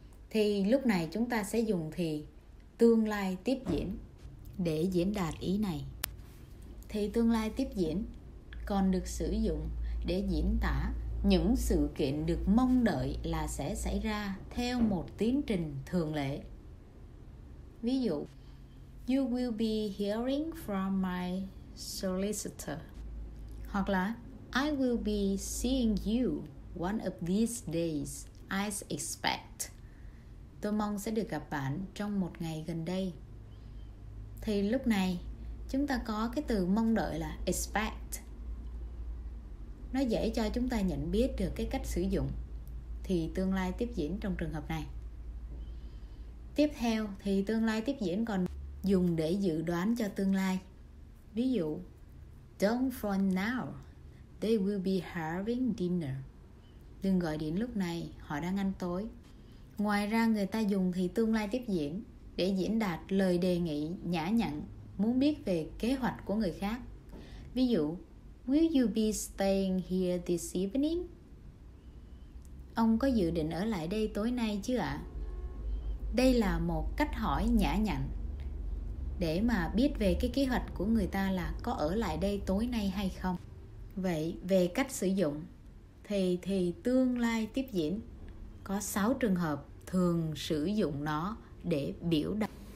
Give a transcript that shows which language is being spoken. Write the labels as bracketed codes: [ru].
[vi] Thì lúc này chúng ta sẽ dùng thì tương lai tiếp diễn để diễn đạt ý này. Thì tương lai tiếp diễn còn được sử dụng để diễn tả những sự kiện được mong đợi là sẽ xảy ra theo một tiến trình thường lệ. Ví dụ, [en] you will be hearing from my solicitor. [vi] Hoặc là [en] I will be seeing you one of these days as expect. [vi] Tôi mong sẽ được gặp bạn trong một ngày gần đây. Thì lúc này chúng ta có cái từ mong đợi là expect. Nó dễ cho chúng ta nhận biết được cái cách sử dụng thì tương lai tiếp diễn trong trường hợp này. Tiếp theo, thì tương lai tiếp diễn còn dùng để dự đoán cho tương lai. Ví dụ, [en] don't phone now, they will be having dinner. [vi] Đừng gọi điện lúc này, họ đang ăn tối. Ngoài ra, người ta dùng thì tương lai tiếp diễn để diễn đạt lời đề nghị nhã nhặn, muốn biết về kế hoạch của người khác. Ví dụ, [en] will you be staying here this evening? [vi] Ông có dự định ở lại đây tối nay chứ ạ? Đây là một cách hỏi nhã nhặn để mà biết về cái kế hoạch của người ta là có ở lại đây tối nay hay không. Vậy về cách sử dụng thì tương lai tiếp diễn có 6 trường hợp thường sử dụng nó để biểu đạt.